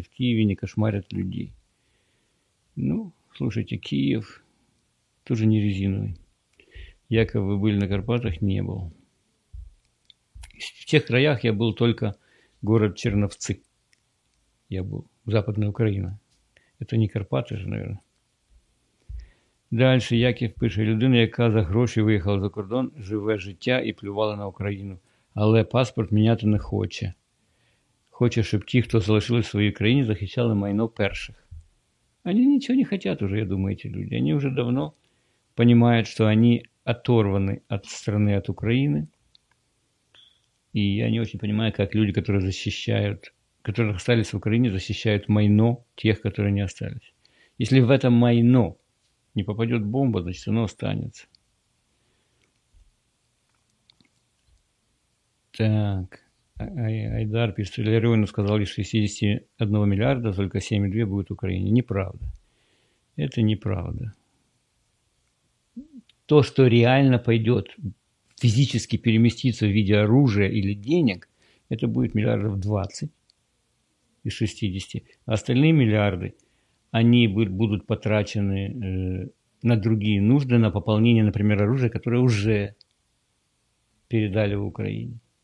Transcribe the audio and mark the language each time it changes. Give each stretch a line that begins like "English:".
Russian: В Киеве не кошмарят людей. Ну, слушайте, Киев тоже не резиновый. Якобы вы были на Карпатах, не был. В тех краях я был только город Черновцы. Я был. Западная Украина. Это не Карпаты же, наверное.
Ukrainian: Дальше Яків пише: людина, яка за гроші виїхала за кордон, живе життя і плювала на Україну, але паспорт міняти не хоче. Хоче, щоб ті, хто залишили в своїй країні, захищали майно перших. Вони нічого не хочуть вже, я думаю, ці люди. Вони вже давно розуміють, що вони оторваны від країни, від України. І я не дуже розумію, як люди, які захищають, які залишились в Україні, захищають майно тих, які не залишились. Якщо в це майно не попаде бомба, значить воно залишиться. Так. Айдар пише, Леріону сказали, що 61 мільярда, тільки 7,2 буде в Україні. Неправда. Це неправда.
Russian: То, що реально пойде фізично переміститься в виде оружия или денег, это будет миллиардов 20 из 60. А остальные миллиарды, они будут потрачены на другие нужды, на пополнение, например, оружия, которое уже передали в Украине.